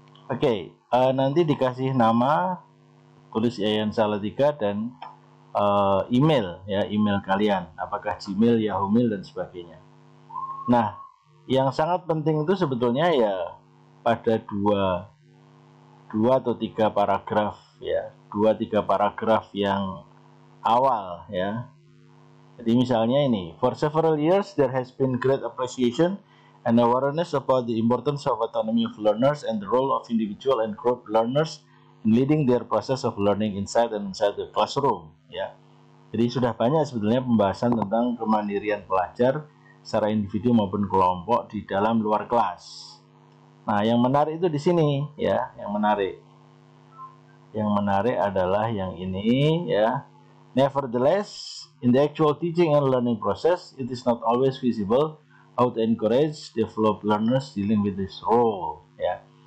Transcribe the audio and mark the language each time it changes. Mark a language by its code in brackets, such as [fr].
[id] Oke, nanti dikasih nama, tulis Yayan Salatiga, dan email ya, email kalian apakah Gmail, Yahoo Mail, dan sebagainya. Nah, yang sangat penting itu sebetulnya ya pada dua atau tiga paragraf ya, 2-3 paragraf yang awal ya. [en] Jadi misalnya ini, for several years there has been great appreciation and awareness about the importance of autonomy of learners and the role of individual and group learners in leading their process of learning inside and outside the classroom ya. [id] Jadi sudah banyak sebetulnya pembahasan tentang kemandirian pelajar secara individu maupun kelompok di dalam luar kelas. Nah, yang menarik itu di sini ya, yang menarik adalah yang ini ya. [en] Nevertheless, in the actual teaching and learning process, it is not always visible how to encourage develop learners dealing with this role ya.